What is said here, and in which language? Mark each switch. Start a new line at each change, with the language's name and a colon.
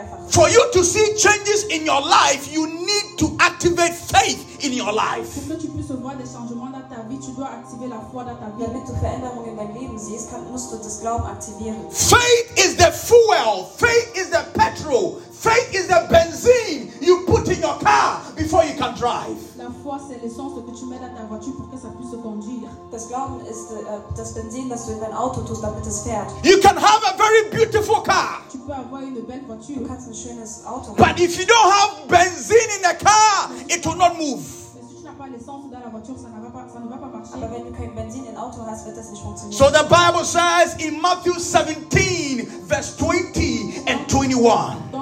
English: For you to see changes in your life, you need to activate faith in your life.
French: Pour que tu puisses voir des changements dans ta vie, tu dois activer la foi dans ta vie.
German: Damit du Veränderungen in deinem Leben siehst, musst du das Glauben aktivieren.
English: Faith is the fuel. Faith is the petrol. Faith is the benzene you put in your car before you can drive.
French: La foi, c'est l'essence que tu mets dans ta voiture pour que ça puisse conduire.
German: Das Glauben ist das Benzin, das du in dein Auto tust, damit es fährt.
English: You can have a very beautiful car.
French: Tu peux avoir une belle voiture.
German: Du kannst ein schönes Auto haben.
English: But if you don't have benzene in the car, it will not move.
French: Mais si tu n'as pas l'essence dans la voiture, ça ne va pas marcher.
German: Aber wenn du kein Benzin im Auto hast, wird das nicht funktionieren.
English: So the Bible says in Matthew 17, verse 20 and 21.